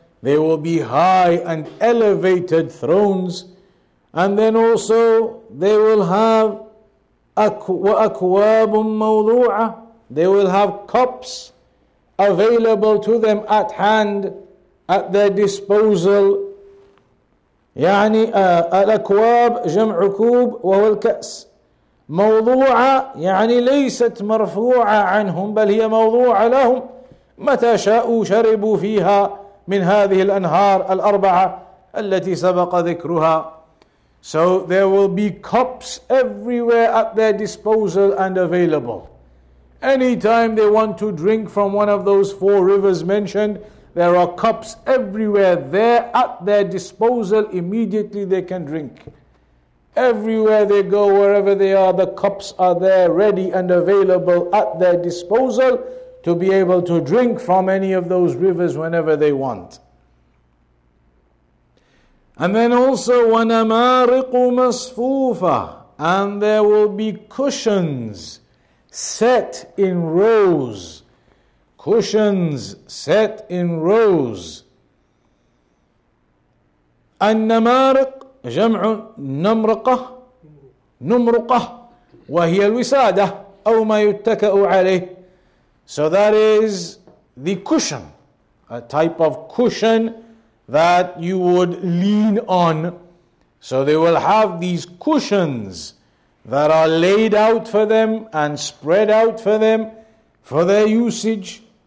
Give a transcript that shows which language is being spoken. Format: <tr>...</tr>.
<en>They will be high and elevated thrones. And then also, they will have</en> <ar>أَكْوَابٌ مَوْضُوعَةٌ.</ar> <en>They will have cups available to them at hand, at their disposal.</en> <ar>يعني الأكواب جمع كوب وهو الكأس. موضوعة يعني ليست مرفوعة عنهم بل هي موضوعة لهم. متى شاءوا شربوا فيها من هذه الأنهار الأربعة التي سبق ذكرها.</ar> <en>So there will be cups everywhere at their disposal and available. Anytime they want to drink from one of those four rivers mentioned, there are cups everywhere there at their disposal. Immediately they can drink. Everywhere they go, wherever they are, the cups are there ready and available at their disposal to be able to drink from any of those rivers whenever they want. And then also,</en> <ar>وَنَمَارِقُ مَصْفُوفَةً.</ar> <en>And there will be cushions set in rows. Cushions set in rows.</en> <ar>النمارق جمع نمرقة نمرقة وهي الوسادة أو ما يتكأ عليه.</ar> <en>So that is the cushion, a type of cushion that you would lean on. So they will have these cushions that are laid out for them and spread out for them for their usage.</en>